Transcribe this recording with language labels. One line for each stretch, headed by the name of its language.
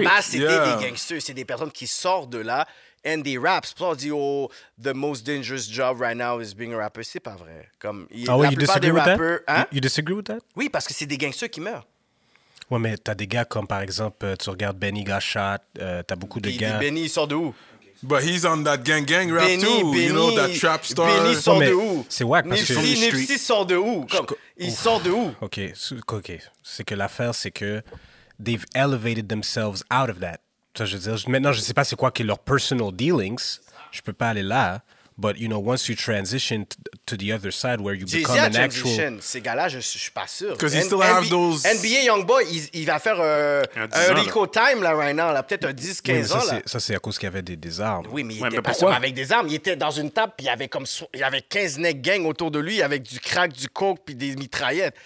French: À la base, c'était des gangsters. C'est des personnes qui sortent de là
English: and they rap.
French: C'est pour ça qu'on dit,
English: oh, the most dangerous job right now is being a rapper.
French: C'est pas vrai. Comme,
English: You disagree with that? You disagree with that?
French: Oui, parce que c'est des gangsters qui meurent. Ouais, mais t'as des gars comme, par exemple, tu regardes Benny Gashat, t'as beaucoup de gars. Benny, il sort de où?
English: But he's on that gang rap Benny, too, Benny, you know, that trap star.
French: Benny sort de où? C'est whack parce que... Nipsey sort de où? Il sort de où? OK. C'est que l'affaire, c'est que
English: they've elevated themselves out of that.
French: Ça, je veux dire, maintenant, je sais pas c'est quoi qui est leur personal dealings. Je peux pas aller là.
English: But, you know, once you transition to the other side where you Jay-Z become an actual...
French: Ces gars-là, je suis pas sûr.
English: Because he still have those...
French: NBA Youngboy, il va faire un Rico time là,
English: right now.
French: Là, peut-être un 10-15 ans. Ça, c'est à cause qu'il y avait des armes. Oui, mais il était pas sûr avec des armes. Il était dans une table, puis il y avait 15 neck gang autour de lui avec du crack, du coke, puis des mitraillettes.